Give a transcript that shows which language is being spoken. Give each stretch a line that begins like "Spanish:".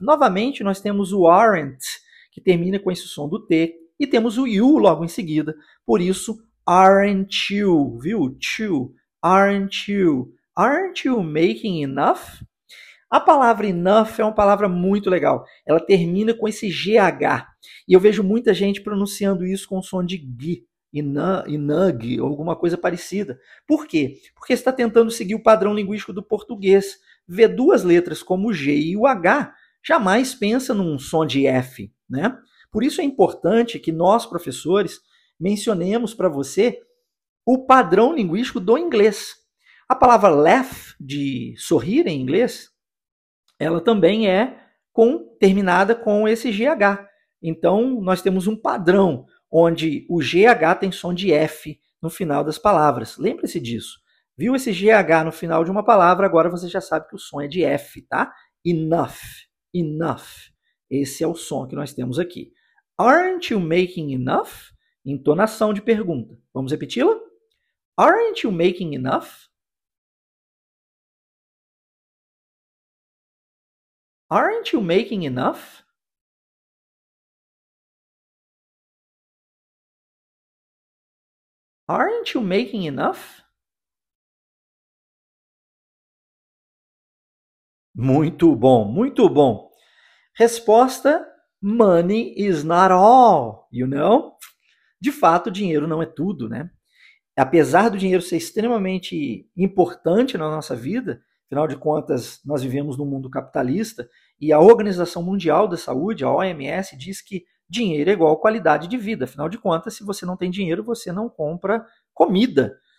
Portuguese: Novamente, nós temos o aren't, que termina com esse som do T, e temos o you logo em seguida. Por isso,
English: aren't you,
Portuguese: viu?
English: To, aren't you. Aren't you making enough?
Portuguese: A palavra enough é uma palavra muito legal. Ela termina com esse GH. E eu vejo muita gente pronunciando isso com o som de gui, enug, ou alguma coisa parecida. Por quê? Porque está tentando seguir o padrão linguístico do português. Vê duas letras como o G e o H, jamais pensa num som de F, né? Por isso é importante que nós, professores, mencionemos para você o padrão linguístico do inglês. A palavra laugh, de sorrir em inglês, ela também é terminada com esse GH. Então, nós temos um padrão onde o GH tem som de F no final das palavras. Lembre-se disso. Viu esse GH no final de uma palavra? Agora você já sabe que o som é de F, tá? Enough, enough. Esse é o som que nós temos aqui.
English: Aren't you making enough?
Portuguese: Entonação de pergunta. Vamos repeti-la?
English: Aren't you making enough? Aren't you making enough? Aren't you making enough?
Portuguese: Muito bom, muito bom. Resposta:
English: money is not all, you know?
Portuguese: De fato, dinheiro não é tudo, né? Apesar do dinheiro ser extremamente importante na nossa vida, afinal de contas, nós vivemos num mundo capitalista e a Organização Mundial da Saúde, a OMS, diz que dinheiro é igual qualidade de vida. Afinal de contas, se você não tem dinheiro, você não compra comida.